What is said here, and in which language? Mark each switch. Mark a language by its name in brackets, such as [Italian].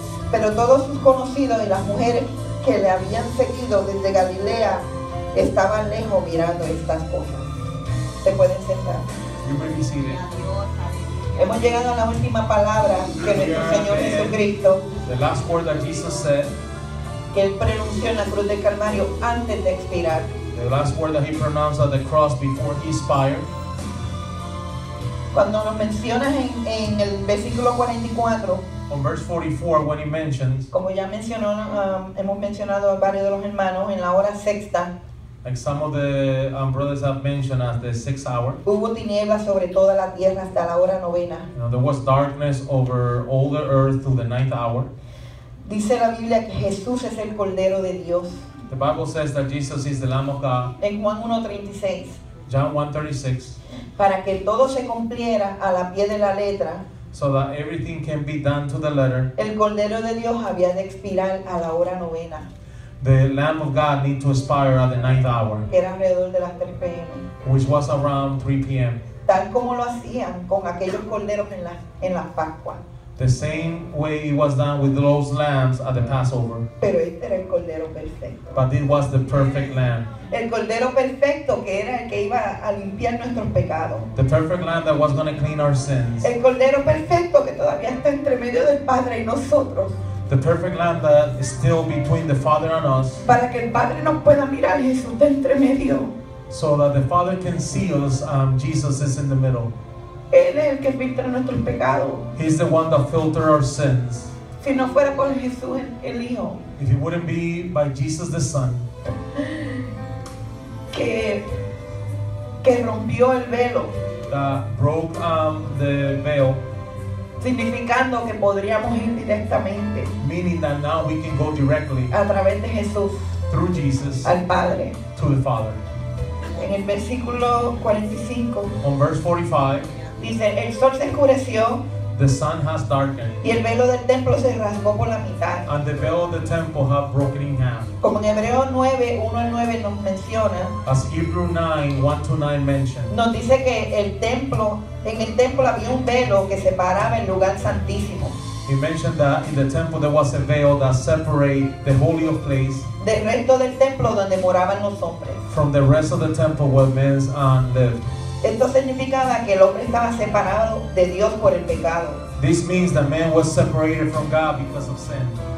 [Spanish] Pero todos sus conocidos y las mujeres que le habían seguido desde Galilea estaban lejos mirando estas cosas. Se pueden sentar. Hemos llegado a la última palabra que nuestro Señor Jesucristo, [English] the last word that Jesus said, [Spanish] que Él pronunció en la cruz del Calvario antes de expirar. [English] The last word that he pronounced at the cross before he expired. [Spanish] Cuando lo mencionas en el versículo 44, [English] on verse 44, when he mentions, [Spanish] como ya mencionó, hemos mencionado a varios de los hermanos en la hora sexta, [English] like some of the brothers have mentioned as the sixth hour, [Spanish] hubo tinieblas sobre toda la tierra hasta la hora novena. [English] You know, there was darkness over all the earth to the ninth hour. [Spanish] Dice la Biblia que Jesús es el Cordero de Dios. [English] The Bible says that Jesus is the Lamb of God. [Spanish] En Juan 1:36. [English] John 1:36. [Spanish] Para que todo se cumpliera a la pie de la letra. [English] So that everything can be done to the letter. [Spanish] El Cordero de Dios había de expirar a la hora novena. [English] The Lamb of God need to expire at the ninth hour. [Spanish] Que era alrededor de las 3 p.m. [English] Which was around 3 p.m. [Spanish] Tal como lo hacían con aquellos corderos en la Pascua. [English] The same way it was done with those lambs at the Passover. [Spanish] Pero este era el cordero perfecto. [English] But it was the perfect lamb. [Spanish] El cordero perfecto que era el que iba a limpiar nuestros pecados. [English] The perfect lamb that was going to clean our sins. [Spanish] El cordero perfecto que todavía está entre medio del Padre y nosotros. [English] The perfect lamb that is still between the Father and us. [Spanish] Para que el Padre nos pueda mirar y Jesús de entre medio. [English] So that the Father can see us, Jesus is in the middle. [Spanish] Él es el que filtra nuestros pecados. [English] He's the one that filters our sins. [Spanish] Si no fuera por Jesús el Hijo. [English] If it wouldn't be by Jesus the Son. [Spanish] Que rompió el velo. [English] That broke the veil. [Spanish] Significando que podríamos ir directamente. [English] Meaning that now we can go directly. [Spanish] A través de Jesús. [English] Through Jesus. [Spanish] Al Padre. [English] To the Father. [Spanish] En el versículo 45. [English] On verse 45. [Spanish] Dice, el sol se oscureció. [English] The sun has darkened. [Spanish] Y el velo del templo se rasgó por la mitad. [English] And the veil of the temple have broken in half. [Spanish] Como en Hebreos 9:1-9 nos menciona. [English] As Hebrews 9:1-9 mentions. [Spanish] Nos dice que en el templo había un velo que separaba el lugar santísimo. [English] He mentioned that in the temple there was a veil that separated the holy of place. [Spanish] Del resto del templo donde moraban los hombres. [English] From the rest of the temple where men lived. [Spanish] Esto significaba que el hombre estaba separado de Dios por el pecado. [English] This means that man was separated from God because of sin.